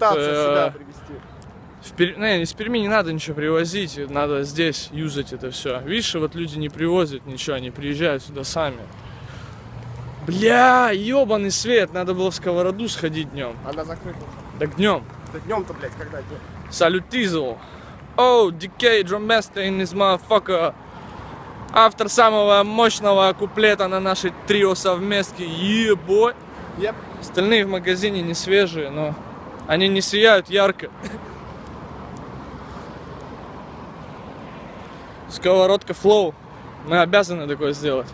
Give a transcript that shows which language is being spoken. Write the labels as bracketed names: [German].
[Russian] попытаться сюда привезти. Из Перми не надо ничего привозить, надо здесь юзать это все. Видишь, вот люди не привозят ничего, они приезжают сюда сами. Бля, ебаный свет, надо было в сковороду сходить днем. Она закрыта. Да днем. Да днем-то, блядь, когда днем? Салютизл. [English] Оу, Дикей, Drumaster in this motherfucker. [Russian] Автор самого мощного куплета на нашей трио совместке. Ебой. [English] Yep. [Russian] Остальные в магазине не свежие, но они не сияют ярко. Сковородка Flow. Мы обязаны такое сделать.